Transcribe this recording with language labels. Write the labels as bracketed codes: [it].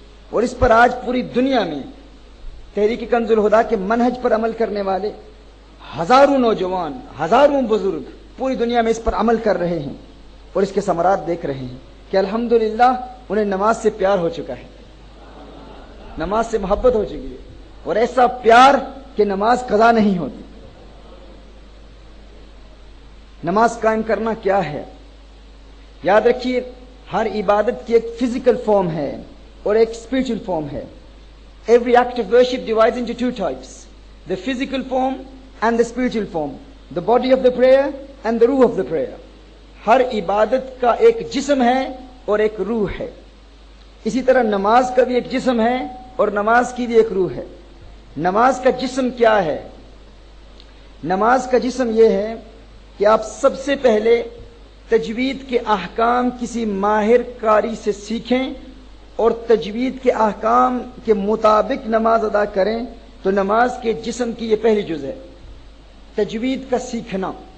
[ur] اور اس پر آج پوری دنیا میں تحریک کنز الہدیٰ کے منہج پر عمل کرنے والے ہزاروں نوجوان, ہزاروں بزرگ پوری دنیا میں اس پر عمل کر رہے ہیں اور اس کے ثمرات دیکھ رہے ہیں کہ الحمدللہ انہیں نماز سے پیار ہو چکا ہے, نماز سے محبت ہو چکی ہے, اور ایسا پیار کہ نماز قضا نہیں ہوتی. نماز قائم کرنا کیا ہے؟ یاد رکھیے ہر عبادت کی ایک فزیکل فارم ہے اور ایک اسپرچل فارم ہے. [en] Every act of worship divides into 2 types, the physical form and the spiritual form, the body of the prayer and the rooh of the prayer. [ur] ہر عبادت کا ایک جسم ہے اور ایک روح ہے. اسی طرح نماز کا بھی ایک جسم ہے اور نماز کی بھی ایک روح ہے. نماز کا جسم کیا ہے؟ نماز کا جسم یہ ہے کہ آپ سب سے پہلے تجوید کے احکام کسی ماہر قاری سے سیکھیں اور تجوید کے احکام کے مطابق نماز ادا کریں, تو نماز کے جسم کی یہ پہلی جز ہے, تجوید کا سیکھنا.